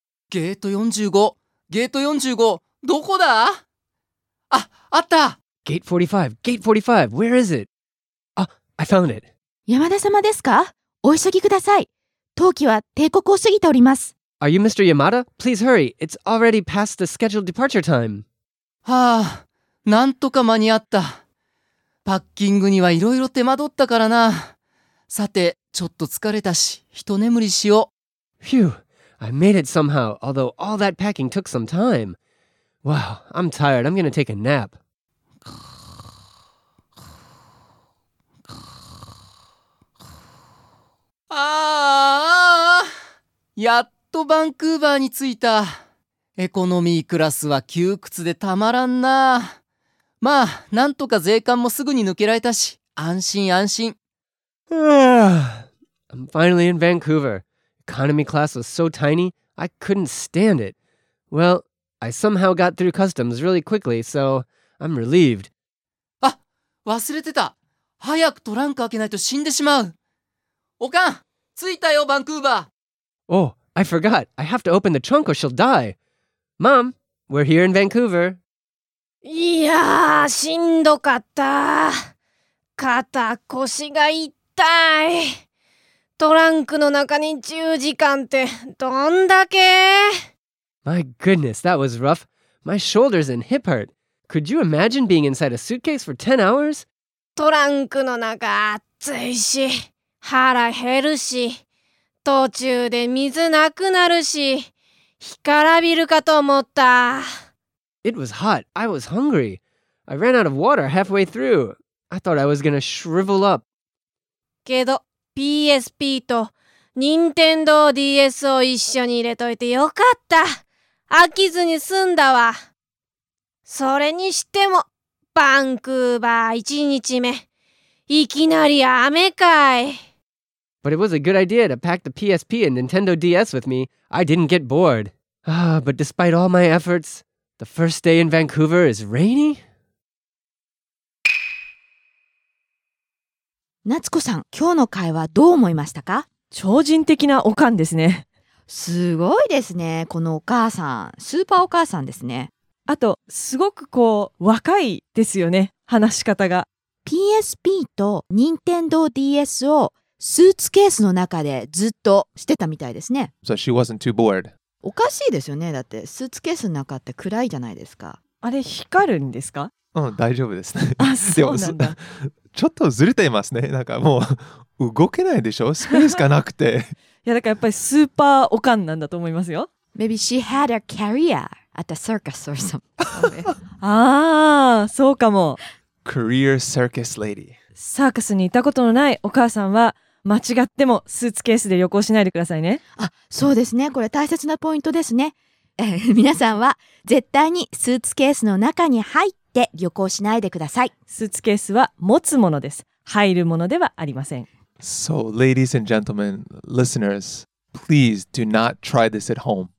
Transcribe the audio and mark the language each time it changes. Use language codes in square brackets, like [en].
[ja] ゲート45、ゲート45、どこだ？あ、あった。ゲート45、ゲート45、 [en] where is it? [ja] あ、 [en] I found it。 [ja] 山田様ですか？お急ぎください。登機は定刻を過ぎております。 [en] Are you Mr. Yamada? Please hurry, it's already past the scheduled departure time。 [ja] はあ、なんとか間に合った。パッキングにはいろいろ手間取ったからな。さて、ちょっと疲れたし、一眠りしよう。 [en] Phew, I made it somehow, although all that packing took some time. Wow, I'm tired, I'm gonna take a nap. [ja] ああ、やっとバンクーバーに着いた。エコノミークラスは窮屈でたまらんな。まあ、なんとか税関もすぐに抜けられたし、安心安心。 [en] I'm finally in Vancouver. Economy class was so tiny, I couldn't stand it. Well, I somehow got through customs really quickly, so I'm relieved. [ja] あ、忘れてた。早くトランク開けないと死んでしまう。おかん、着いたよ、バンクーバー。 [en] Oh, I forgot. I have to open the trunk or she'll die. Mom, we're here in Vancouver. [ja] いやー、しんどかった。肩、腰が痛い。トランクの中に10時間ってどんだけ。 [en] My goodness, that was rough. My shoulders and hip hurt. Could you imagine being inside a suitcase for 10 hours? [ja] トランクの中暑いし、腹減るし、途中で水なくなるし、干からびるかと思った。 [en] It was hot. I was hungry. I ran out of water halfway through. I thought I was gonna shrivel up. [ja] けど、PSP と Nintendo DS を一緒に入れといてよかった。飽きずに済んだわ。それにしても、バンクーバー一日目、いきなり雨かい。 [en] But it was a good idea to pack the PSP and Nintendo DS with me. I didn't get bored. Ah, but despite all my efforts, the first day in Vancouver is rainy? [ja] 夏子さん、今日の会話どう思いましたか？超人的なおかんですね。すごいですね、このお母さん。スーパーお母さんですね。あと、すごくこう、若いですよね、話し方が。 PSP と Nintendo DS をスーツケースの中でずっとしてたみたいですね。 [en] So she wasn't too bored. [ja] おかしいですよね。だってスーツケースの中って暗いじゃないですか。あれ光るんですか？うん、大丈夫ですね。あ、そうなんだ。でちょっとずれていますね。なんかもう動けないでしょ。スペースがなくて。いやだからやっぱりスーパーおかんなんだと思いますよ。 [en] Maybe she had a career at the circus or something. [ja] ああ、そうかも。 [en] Career circus lady. [ja] サーカスにいたことのないお母さんは。間違ってもスーツケースで旅行しないでくださいね。あ、そうですね。これ大切なポイントですね。皆さんは絶対にスーツケースの中に入って旅行しないでください。スーツケースは持つものです。入るものではありません。 [en] So, ladies and gentlemen, listeners, please do not try this at home.